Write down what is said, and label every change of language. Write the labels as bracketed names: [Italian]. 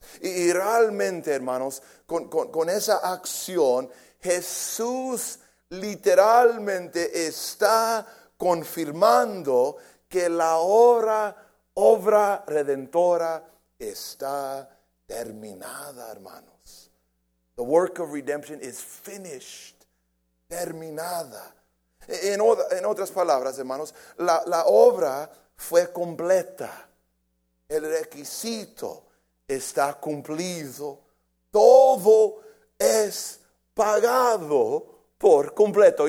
[Spanish] Y realmente, hermanos, con esa acción, Jesús literalmente está confirmando que la obra redentora está terminada, hermanos. [English] The work of redemption is finished. [Spanish] Terminada. En otras palabras, hermanos, la obra fue completa. El requisito está cumplido. Todo es pagado por completo.